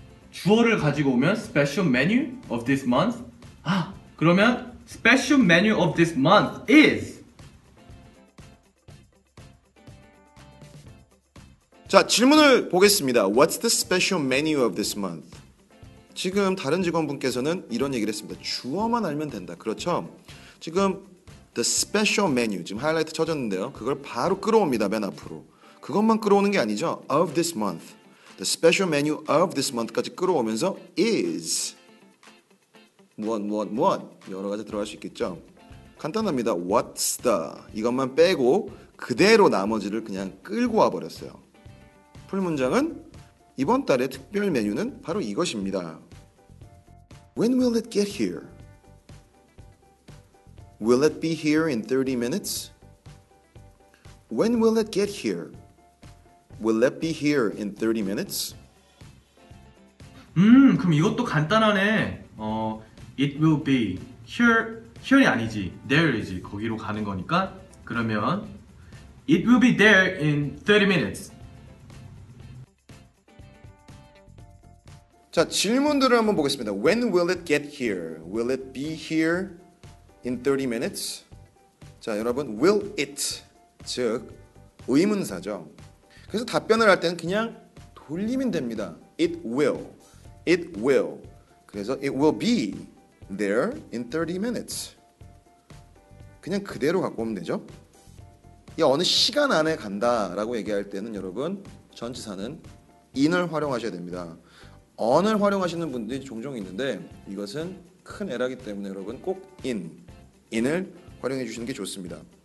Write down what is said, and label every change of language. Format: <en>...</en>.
<ko>주어를 가지고 오면</ko> <en>special menu of this month.</en> <ko>아, 그러면</ko> <en>special menu of this month is</en> <ko>자, 질문을 보겠습니다.</ko> <en>What's the special menu of this month?</en> <ko>지금 다른 직원분께서는 이런 얘기를 했습니다. 주어만 알면 된다. 그렇죠? 지금</ko> <en>the special menu,</en> <ko>지금 하이라이트 쳐졌는데요. 그걸 바로 끌어옵니다. 맨 앞으로. 그것만 끌어오는 게 아니죠.</ko> <en>of this month. the special menu of this month</en> <ko>까지 끌어오면서</ko> <en>is. what, what, what.</en> <ko>여러 가지 들어갈 수 있겠죠? 간단합니다.</ko> <en>what's the.</en> <ko>이것만 빼고 그대로 나머지를 그냥 끌고 와버렸어요. 풀 문장은 이번 달의 특별 메뉴는 바로 이것입니다.</ko> <en>When will it get here? Will it be here in 30 minutes? When will it get here? Will it be here in 30 minutes?</en> <ko>그럼 이것도 간단하네.</ko> <en>어, it will be here</en> <ko>이 아니지.</ko> <en>there</en> <ko>이지. 거기로 가는 거니까. 그러면</ko> <en>it will be there in 30 minutes.</en> <ko>자, 질문들을 한번 보겠습니다.</ko> <en>When will it get here? Will it be here in 30 minutes?</en> <ko>자, 여러분,</ko> <en>will it,</en> <ko>즉, 의문사죠. 그래서 답변을 할 때는 그냥 돌리면 됩니다.</ko> <en>It will, it will.</en> <ko>그래서</ko> <en>it will be there in 30 minutes.</en> <ko>그냥 그대로 갖고 오면 되죠. 야, 어느 시간 안에 간다라고 얘기할 때는 여러분, 전치사는 in을 활용하셔야 됩니다. on을 활용하시는 분들이 종종 있는데 이것은 큰 에러이기 때문에 여러분 꼭 in, in을 활용해 주시는 게 좋습니다.</ko>